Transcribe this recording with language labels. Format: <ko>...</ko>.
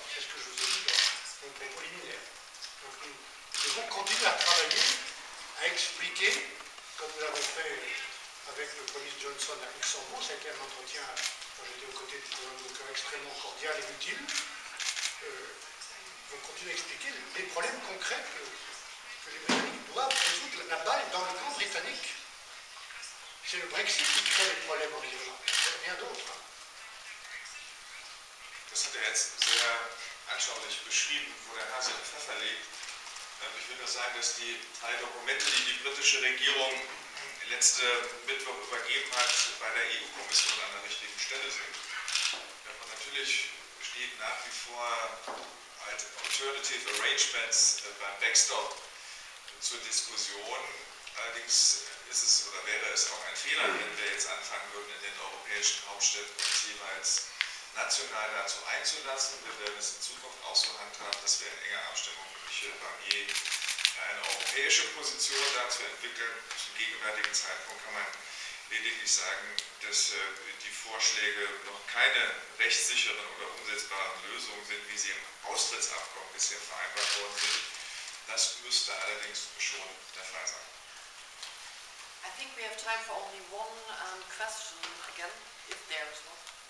<fr>C'est ce que je vous ai dit dans mon propos liminaire. Donc, nous devons continuer à travailler, à expliquer, comme nous l'avons fait avec le Boris Johnson à Luxembourg, ça a été un entretien, quand j'étais aux côtés du gouvernement, extrêmement cordial et utile. On continue à expliquer les problèmes concrets que les Britanniques doivent résoudre. La balle est dans le camp britannique. C'est le Brexit qui crée les problèmes en Irlande, rien d'autre.</fr> <de>Das hat jetzt sehr anschaulich beschrieben, wo der Hase den Pfeffer legt. Ich will nur sagen, dass die drei Dokumente, die die britische Regierung letzte Mittwoch übergeben hat, bei der EU-Kommission an der richtigen Stelle sind. Und natürlich steht nach wie vor Alternative Arrangements beim Backstop zur Diskussion. Allerdings ist es oder wäre es auch ein Fehler, wenn wir jetzt anfangen würden, in den europäischen Hauptstädten uns jeweils national dazu einzulassen. Wir werden es in Zukunft auch so handhaben, dass wir in enger Abstimmung eine europäische Position dazu entwickeln. Zum gegenwärtigen Zeitpunkt kann man lediglich sagen, dass die Vorschläge noch keine rechtssicheren oder umsetzbaren Lösungen sind, wie sie im Austrittsabkommen bisher vereinbart worden sind. Das müsste allerdings schon der Fall sein.</de> <en>I think we have time for only one question again, if there is one.</en>